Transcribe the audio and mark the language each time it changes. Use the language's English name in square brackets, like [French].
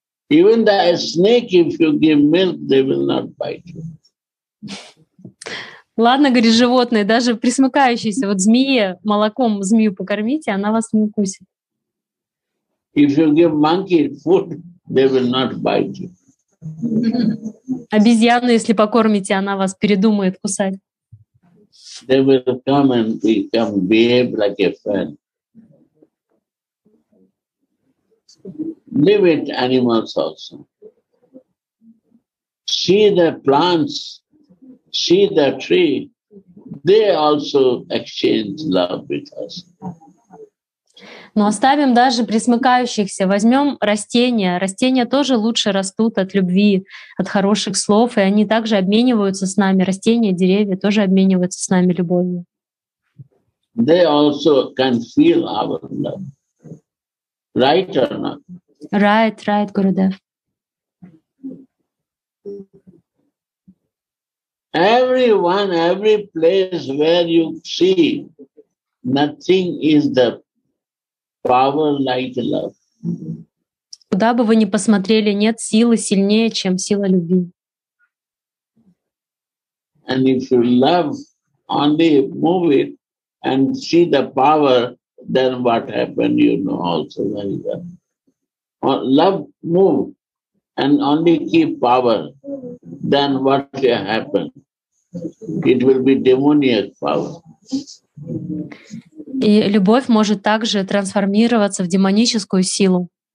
[English] Even the snake, if you give milk, they will not bite you. [Russian] Ладно, говорит, животные, даже присмыкающиеся, вот змея, молоком змею покормите, она вас не укусит. [English] If you give monkey food, they will not bite you. [Russian] Обезьяну, если покормите, она вас передумает кусать. [English] They will come and become behave like a friend. Live with animals also. See the plants, see the tree, they also exchange love with us. [Russian] Но оставим даже присмыкающихся, возьмем растения. Растения тоже лучше растут от любви, от хороших слов, и они также обмениваются с нами. Растения, деревья тоже обмениваются с нами любовью. [English] They also can feel our love. Right or not? Right, right, Gurudev. Everyone, every place where you see, nothing is the power like love. [Russian] Куда бы вы ни посмотрели, нет силы сильнее, чем сила любви. [English] And if you love, only move it and see the power, then what happened, you know also very well. Love move and only keep power, then what will happen? It will be demonic power. [Russian] И любовь может также трансформироваться в демоническую силу.